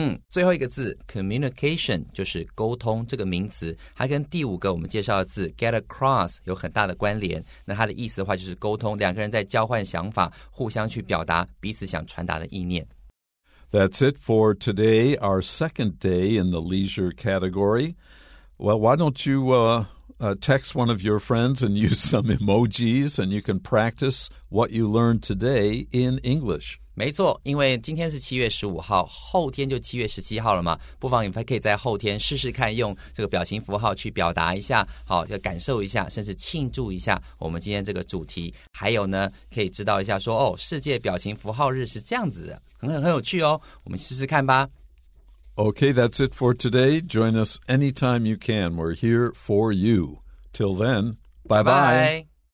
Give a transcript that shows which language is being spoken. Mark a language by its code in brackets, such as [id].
[zh] 最后一个字 communication 就是沟通这个名词它跟第五个我们介绍的字 get across 有很大的关联那它的意思的话就是沟通两个人在交换想法互相去表达彼此想传达的意念 [en] That's it for today our second day in the leisure category Well, why don't youtext one of your friends and use some emojis and you can practice what you learned today in English. [zh] 没错因为今天是7月15号后天就7月17号了嘛不妨你可以在后天试试看用这个表情符号去表达一下好就感受一下甚至庆祝一下我们今天这个主题还有呢可以知道一下说哦世界表情符号日是这样子的很有趣哦我们试试看吧 [en] OK that's it for today join us anytime you can we're here for you till then bye bye, bye, bye.